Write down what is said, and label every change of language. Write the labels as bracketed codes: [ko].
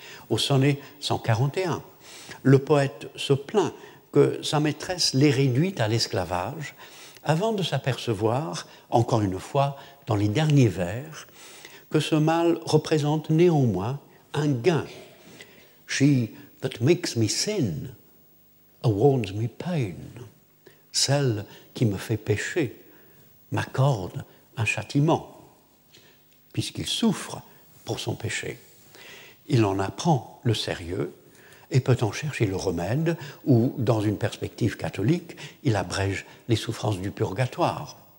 [fr] Au sonnet 141, le poète se plaint que sa maîtresse l'ait réduite à l'esclavage avant de s'apercevoir, encore une fois, dans les derniers vers, que ce mal représente néanmoins un gain. [en] She that makes me sin, awards me pain. [fr] Celle qui me fait pécher m'accorde un châtiment, puisqu'il souffre pour son péché. Il en apprend le sérieux et peut en chercher le remède, ou, dans une perspective catholique, il abrège les souffrances du purgatoire.